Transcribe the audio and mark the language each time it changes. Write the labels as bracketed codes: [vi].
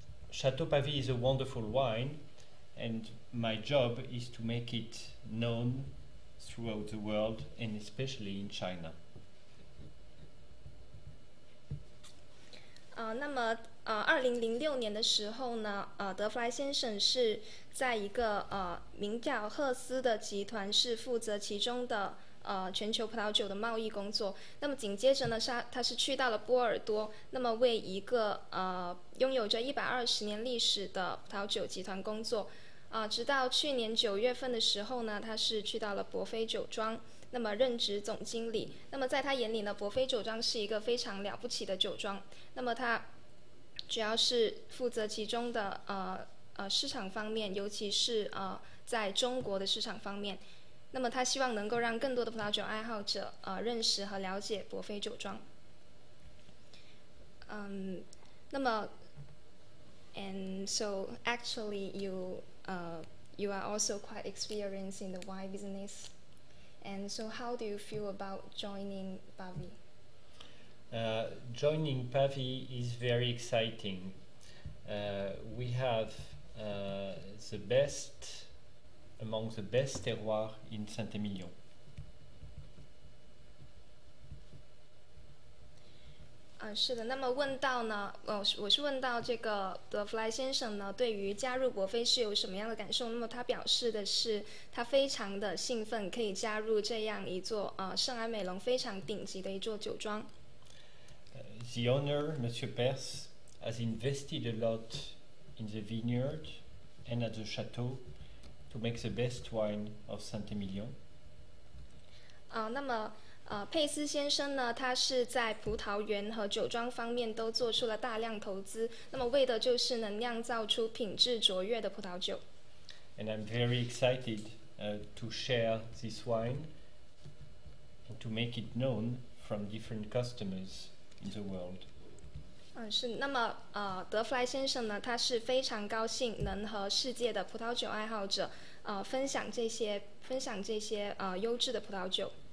[en] Chateau Pavie is a wonderful wine, and my job is to make it known throughout the world, and especially in China. [zh] 那么2006年的时候呢，德弗莱先生是在一个名叫赫斯的集团，是负责其中的全球葡萄酒的贸易工作。那么紧接着呢，他是去到了波尔多，那么为一个拥有着120年历史的葡萄酒集团工作。直到去年九月份的时候呢，他是去到了伯菲酒庄，那么任职总经理。那么在他眼里呢，伯菲酒庄是一个非常了不起的酒庄。那么他主要是负责其中的市场方面，尤其是在中国的市场方面。那么他希望能够让更多的葡萄酒爱好者认识和了解伯菲酒庄。 [en] 那么 ，and so actually you are also quite experienced in the wine business. And so how do you feel about joining Pavie? Joining Pavie is very exciting. We have the best among the best terroirs in Saint-Emilion. Is the [zh] 那么问到呢？我是问到这个德弗莱先生呢，对于加入伯菲是有什么样的感受？那么他表示的是，他非常的兴奋，可以加入这样一座圣埃美隆非常顶级的一座酒庄。 [en] The owner, Monsieur Pers, has invested a lot in the vineyard and at the chateau to make the best wine of Saint-Emilion. [zh] 那么。佩斯先生呢，他是在葡萄园和酒庄方面都做出了大量投资，那么为的就是能酿造出品质卓越的葡萄酒。 [en] And I'm very excited to share this wine and to make it known from different customers in the world. [zh] 是，那么德弗莱先生呢，他是非常高兴能和世界的葡萄酒爱好者分享这些优质的葡萄酒。